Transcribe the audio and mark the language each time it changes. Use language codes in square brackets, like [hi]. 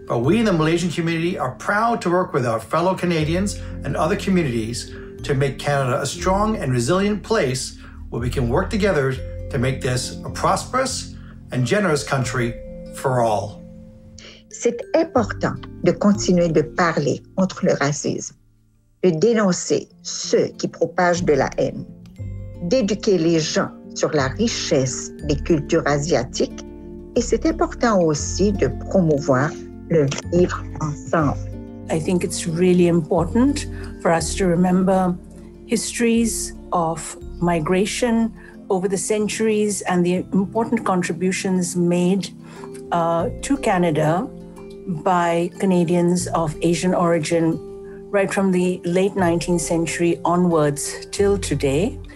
[en] But we in the Malaysian community are proud to work with our fellow Canadians and other communities to make Canada a strong and resilient place where we can work together to make this a prosperous and generous country for all. [fr] C'est important de continuer de parler contre le racisme, de dénoncer ceux qui propagent de la haine, d'éduquer les gens sur la richesse des cultures asiatiques. Et c'est important aussi de promouvoir le vivre ensemble. [en] I think it's really important for us to remember histories of migration over the centuries and the important contributions made to Canada by Canadians of Asian origin right from the late 19th century onwards till today.